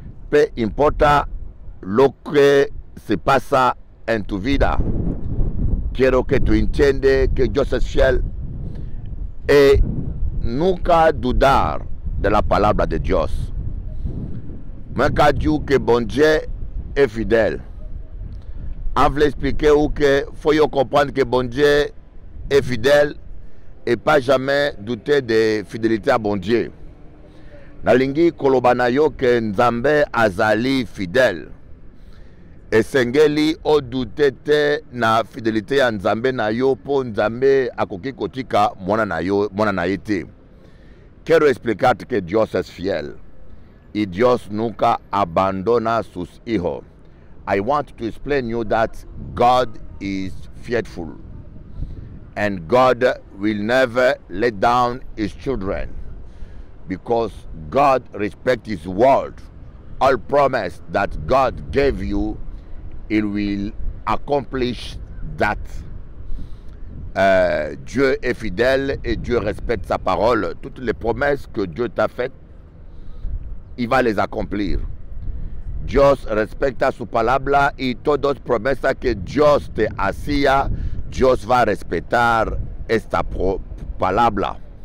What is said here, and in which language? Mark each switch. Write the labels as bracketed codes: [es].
[es] Peu importa lo que se pasa en tu vida. Quiero que tu entiendes que Dios es fiel. Et nunca dudar de la palabra de Dios. [fr] Mais quand Dieu que bon Dieu est fidèle, on veut expliquer où que faut y comprendre que bon Dieu est fidèle et pas jamais douter de fidélité à bon Dieu. [ln] Na lingi kolobana yo que Nzambe azali fidèle et sengeli o douter te na fidélité à Nzambe na yo pour Nzambe akoki kotika mwana na yo mwana na yete. [es] Quiero explicar que Dios es fiel. Y Dios nunca abandona sus hijos. [en] I want to explain you that God is faithful. And God will never let down his children. Because God respects his word. All promise that God gave you, he will accomplish that. [fr] Dieu est fidèle et Dieu respecte sa parole. Toutes les promesses que Dieu t'a faites, il va les accomplir. [es] Dios respecta su palabra y todos promesa que Dios te hacía, Dios va a respetar esta palabra.